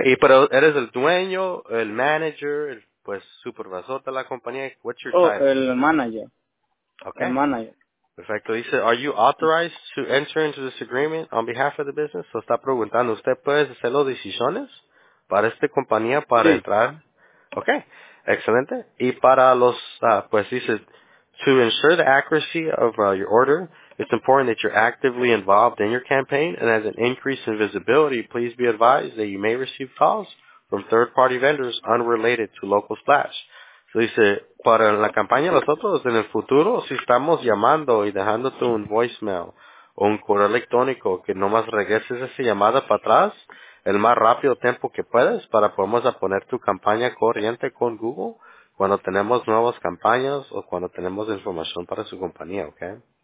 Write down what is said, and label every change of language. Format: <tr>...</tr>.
<es>¿Y pero eres el dueño, el manager, el, pues, supervisor de la compañía?</es> <en>What's your title?</en> <es>El manager. Ok. El manager. Perfecto.</es> <en>Dice, are you authorized to enter into this agreement on behalf of the business?</en> <es>So está preguntando, ¿usted puede hacer las decisiones para esta compañía para entrar? Okay, excelente. Y para los, pues dice,</es> <en>to ensure the accuracy of your order, it's important that you're actively involved in your campaign, and as an increase in visibility, please be advised that you may receive calls from third-party vendors unrelated to Local Splash.</en> <es>So dice, para la campaña nosotros en el futuro, si estamos llamando y dejándote un voicemail o un correo electrónico, que nomás regreses esa llamada para atrás, el más rápido tiempo que puedes para podemos poner tu campaña corriente con Google cuando tenemos nuevas campañas o cuando tenemos información para su compañía, ¿ok?</es>